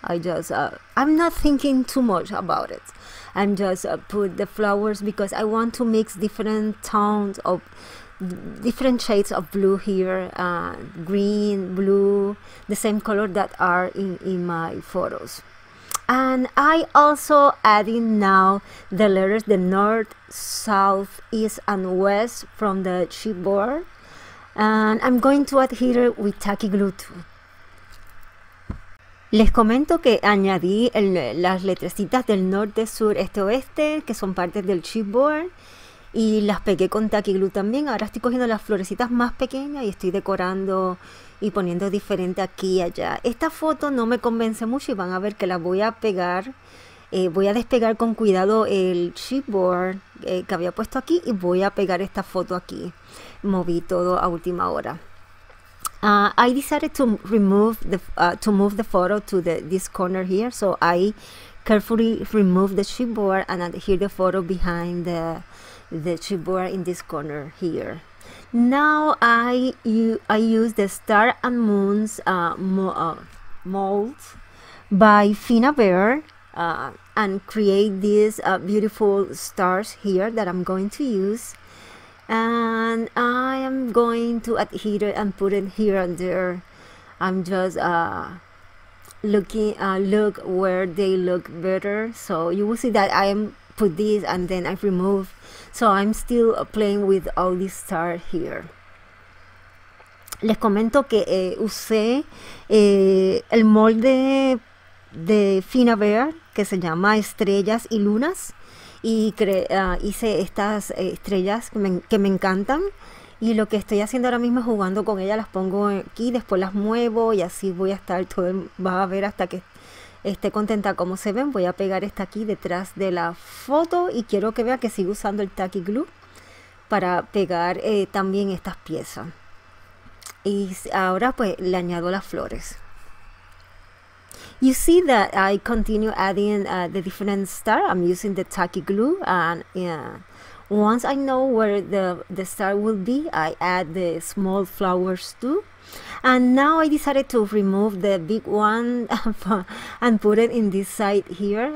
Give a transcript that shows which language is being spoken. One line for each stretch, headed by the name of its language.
English: I'm not thinking too much about it. I'm just put the flowers because I want to mix different tones of different shades of blue here, green, blue, the same color that are in my photos. And I also adding now the letters, the north, south, east, and west from the chipboard. And I'm going to adhere it with tacky glue too.
Spanish: Les comento que añadí las letrecitas del norte, sur, este, oeste, que son partes del chipboard. Y las pegué con tacky glue también. Ahora estoy cogiendo las florecitas más pequeñas y estoy decorando y poniendo diferente aquí y allá. Esta foto no me convence mucho y van a ver que la voy a pegar Voy a despegar con cuidado el chipboard que había puesto aquí y voy a pegar esta foto aquí. Moví todo a última hora.
English: I decided to remove the to move the photo to the this corner here, so I carefully removed the chipboard and adhere the photo behind the chipboard in this corner here. Now I use the star and moons mold by Fina Bear and create these beautiful stars here that I'm going to use. And I am going to adhere it and put it here and there. I'm just look where they look better. So you will see that I am put this and then I've removed. So I'm still playing with all these stars here.
Spanish: Les comento que usé el molde de Fina Bear que se llama Estrellas y Lunas. Y hice estas estrellas que me encantan. Y lo que estoy haciendo ahora mismo es jugando con ellas. Las pongo aquí, después las muevo y así voy a estar todo. Vas a ver hasta que esté contenta como se ven. Voy a pegar esta aquí detrás de la foto. Y quiero que vea que sigo usando el tacky glue para pegar también estas piezas. Y ahora pues le añado las flores.
English: You see that I continue adding the different star. I'm using the tacky glue, and once I know where the star will be, I add the small flowers too. And now I decided to remove the big one and put it in this side here.